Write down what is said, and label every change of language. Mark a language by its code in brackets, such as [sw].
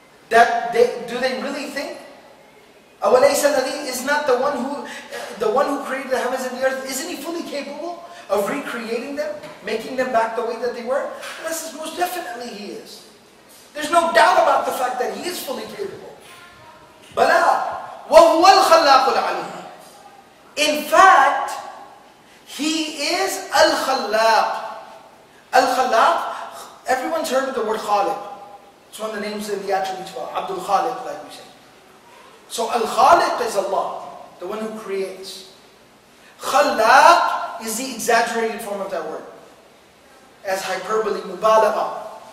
[en] Do they really think? [ar] أَوَلَيْسَ الَّذِي [en] Is not the one who created the heavens and the earth, isn't he fully capable of recreating them, making them back the way that they were? Allah says, most definitely he is. There's no doubt about the fact that he is fully capable. [ar] بَلَىٰ وَهُوَ الْخَلَّاقُ الْعَلِيمُ [en] In fact, he is [ar] الخلاق. [en] الخلاق, everyone's heard of the word خالق. It's one of the names of the attributes of Abdul Khaliq, like we say. So Al-Khaliq is Allah, the one who creates. Khalaq is the exaggerated form of that word. As hyperbole, mubalagha.